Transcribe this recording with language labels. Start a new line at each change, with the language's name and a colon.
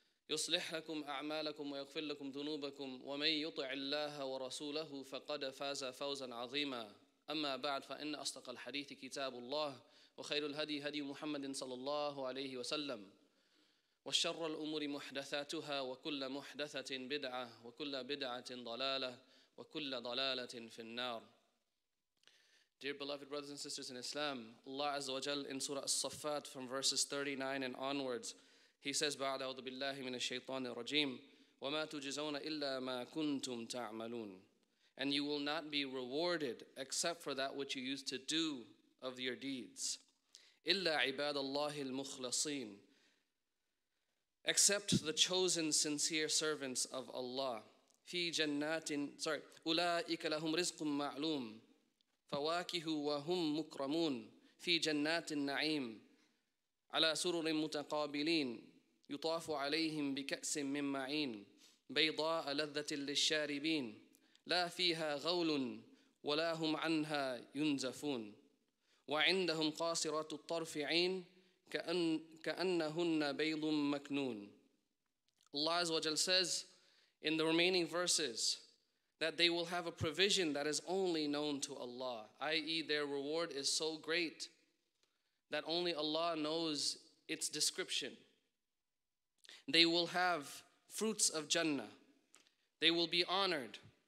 Arabic: يصلح لكم أعمالكم ويغفر لكم ذنوبكم ومن يطع الله ورسوله فقد فاز فوزا عظيما أما بعد فإن أصدق الحديث كتاب الله وخير الهدي هدي محمد صلى الله عليه وسلم وشر الأمور محدثاتها وكل محدثة بدعة وكل بدعة ضلالة وكل ضلالة في النار.
English: Dear beloved brothers and sisters in Islam, Allah Azza wa Jal in Surah As-Saffat from verses 39 and onwards, He says,
Arabic: بعد أعوذ بالله من الشيطان الرجيم وما تجزون إلا ما كنتم تعملون.
English: And you will not be rewarded except for that which you used to do of your deeds.
Arabic: إلا عباد الله المخلصين.
English: Except the chosen sincere servants of Allah.
Arabic: في جنات أولئك لهم رزق معلوم فواكه وهم مكرمون في جنات النعيم على سرر متقابلين يطاف عليهم بكأس من معين بيضاء لذة للشاربين لا فيها غول ولا هم عنها ينزفون وعندهم قاصرات الطرف عين كأنهن بيض مكنون.
English: Allah Azza wa Jal says in the remaining verses that they will have a provision that is only known to Allah, i.e. their reward is so great that only Allah knows its description. They will have fruits of Jannah. They will be honored.